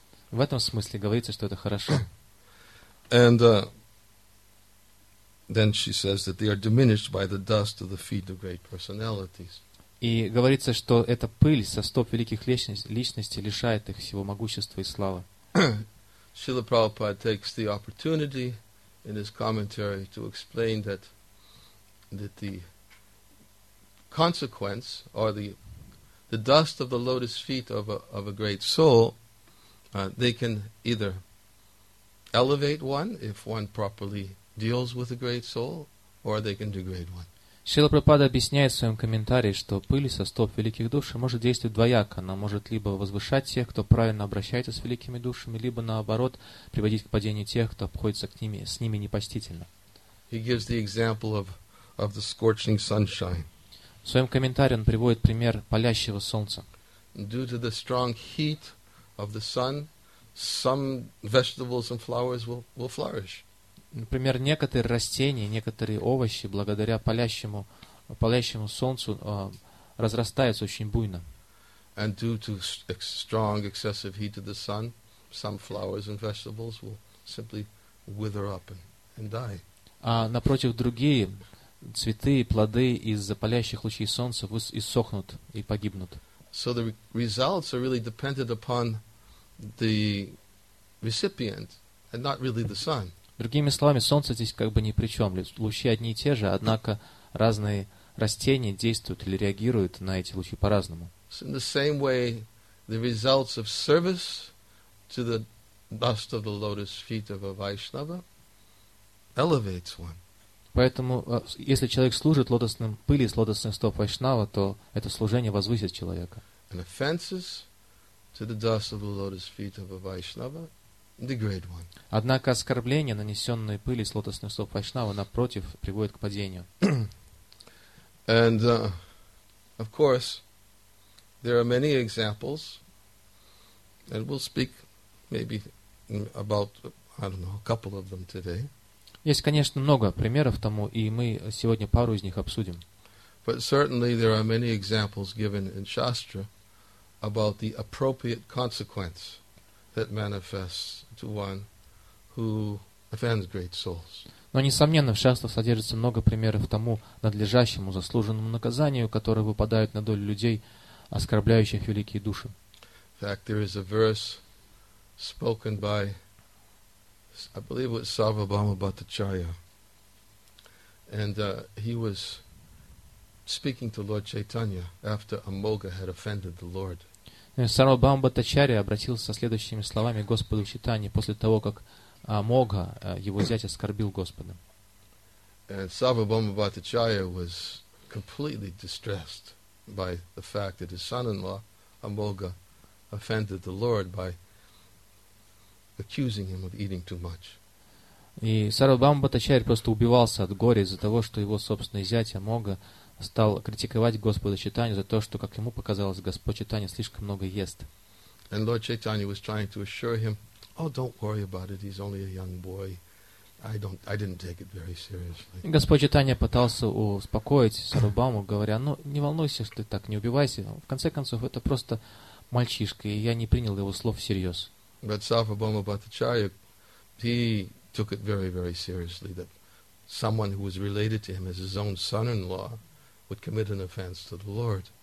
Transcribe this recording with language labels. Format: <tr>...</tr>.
<ru>В этом смысле говорится, что это хорошо.</ru> <en>And then she says that they are diminished by the dust of the feet of great personalities.</en> <ru>И говорится, что эта пыль со стоп великих личностей лишает их всего могущества и славы.</ru> <en>Шрила Прабхупада takes the opportunity in his commentary to explain that the consequence or the dust of the lotus feet of a great soul, they can either elevate one if one properly deals with a great soul, or they can degrade one.</en> <ru>Шрила Прабхупада объясняет в своем комментарии, что пыль со стоп великих душ может действовать двояко. Она может либо возвышать тех, кто правильно обращается с великими душами, либо наоборот приводить к падению тех, кто обходится с ними непочтительно.</ru> <en>He gives the example of the scorching sunshine.</en> <ru>В своем комментарии он приводит пример палящего солнца.</ru> <en>Due to the strong heat of the sun, some vegetables and flowers will flourish.</en> <ru>Например, некоторые растения, некоторые овощи, благодаря палящему солнцу, разрастаются очень буйно.</ru> <en>And due to strong, excessive heat of the sun, some flowers and vegetables will simply wither up and die.</en> <ru>А напротив, другие цветы и плоды из-за палящих лучей солнца иссохнут и погибнут.</ru> <en>So the results are really dependent upon the recipient, and not really the sun.</en> <ru>Другими словами, солнце здесь как бы ни при чем. Лучи одни и те же, однако разные растения действуют или реагируют на эти лучи по-разному.</ru> <en>In the same way, the results of service to the dust of the lotus feet of a Vaishnava elevates one.</en> <ru>Поэтому, если человек служит лотосным пыли с лотосным стоп вайшнава, то это служение возвысит человека.</ru> <en>And offenses to the dust of the lotus feet of a Vaishnava degrade one.</en> <ru>Однако оскорбления, нанесенные пыли с лотосным стоп вайшнава, напротив, приводят к падению.</ru> <en>And of course, there are many examples, and we'll speak maybe about, I don't know, a couple of them today.</en> <ru>Есть, конечно, много примеров тому, и мы сегодня пару из них обсудим.</ru> <en>But certainly there are many examples given in Shastra about the appropriate consequence that manifests to one who offends great souls.</en> <ru>Но, несомненно, в Шастрах содержится много примеров тому надлежащему заслуженному наказанию, которое выпадает на долю людей, оскорбляющих великие души.</ru> <en>In fact, there is a verse spoken by I believe it was Sarvabhauma Bhattacharya. And he was speaking to Lord Chaitanya after Amogha had offended the Lord.</en> <ru>Sarvabhauma Bhattacharya обратился со следующими словами Господу Чайтанье после того, как Амогха, его зять, оскорбил Господа.</ru> <en>And Sarvabhauma Bhattacharya was completely distressed by the fact that his son-in-law, Amogha, offended the Lord by accusing him of eating too much.</en> <ru>И Сарвабхаума Бхаттачарья просто убивался от горя из-за того, что его собственный зять Амогха стал критиковать Господа Чайтанью за то, что, как ему показалось, Господь Чайтанья слишком много ест.</ru> <en>And Lord Chaitanya was trying to assure him, "Oh, don't worry about it. He's only a young boy. I didn't take it very seriously."</en> <ru>И Господь Чайтанья пытался успокоить Сарвабхауму, говоря: "Ну, не волнуйся, что ты так, не убивайся. В конце концов, это просто мальчишка, и я не принял его слов всерьез."</ru> <en>But Sarvabhauma Bhattacharya, he took it very, very seriously that someone who was related to him as his own son-in-law would commit an offense to the Lord.</en>